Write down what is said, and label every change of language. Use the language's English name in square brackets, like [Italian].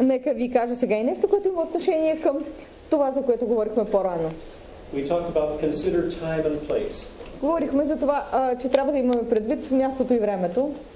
[Bulgarian] Нека ви кажа сега и нещо, което има отношение към това, за което говорихме по-рано. [English] We talked about consider time and place. [Bulgarian] Говорихме за това, че трябва да имаме предвид мястото и времето.